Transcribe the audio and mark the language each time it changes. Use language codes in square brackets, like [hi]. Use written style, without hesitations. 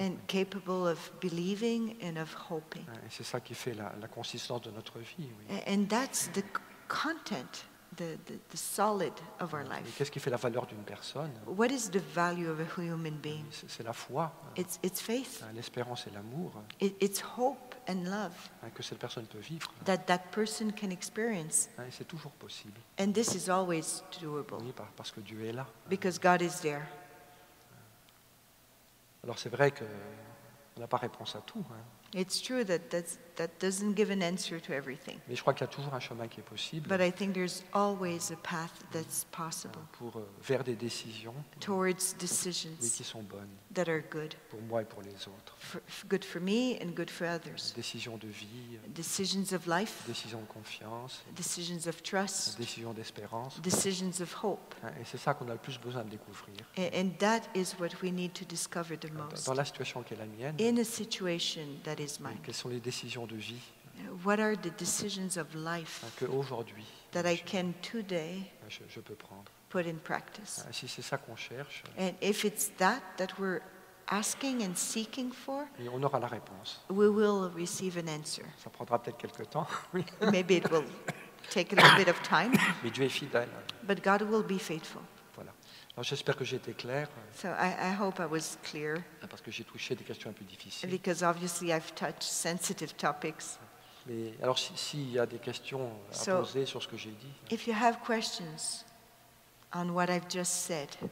[en] And capable of believing and of hoping. [fr] Et c'est ça qui fait la consistance de notre vie. [en] And that's the content. The solid of our life. [fr] Qu'est-ce qui fait la valeur d'une personne? [en] What is the value of a human being? [fr] C'est la foi. [en] It's faith. [fr] L'espérance et l'amour. [en] It's hope and love. [fr] Que cette personne peut vivre. [en] That person can experience. [fr] Et c'est toujours possible. [en] And this is always doable. [fr] Oui, parce que Dieu est là. [en] Because God is there. [fr] Alors c'est vrai qu'on n'a pas réponse à tout. [en] It's true that doesn't give an answer to everything. [fr] Mais je crois qu'il y a toujours un chemin qui est possible. [en] But I think there's always a path that's possible. [fr] Pour vers des décisions. [en] Towards decisions. [fr] Mais qui sont bonnes. [en] That are good. [fr] Pour moi et pour les autres. [en] Good for me and good for others. [fr] Décisions de vie. [en] Decisions of life. [fr] Décisions de confiance. [en] Decisions of trust. [fr] Décisions d'espérance. [en] Decisions of hope. [fr] Et c'est ça qu'on a le plus besoin de découvrir. [en] And that is what we need to discover the most. [fr] Dans la situation qui est la mienne. [en] In a situation that is mine. [fr] Quelles sont les décisions de vie? [en] What are the decisions of life? [fr] Que aujourd'hui. [en] That I can today. [fr] Je peux prendre. [en] Put in practice. [fr] Si c'est ça qu'on cherche. [en] And if it's that we're asking and seeking for. [fr] Et on aura la réponse. [en] We will receive an answer. [fr] Ça prendra peut-être quelque temps. [en] Maybe it will take a little bit of time. [fr] Mais Dieu est fidèle. [en] But God will be faithful. [fr] Voilà. Alors, j'espère que j'ai été clair. [en] So I hope I was clear. [fr] Parce que j'ai touché des questions un peu difficiles. [en] Because obviously I've touched sensitive topics. [fr] Mais alors s'il y a des questions à poser sur ce que j'ai dit. [en] If you have questions on what I've just said.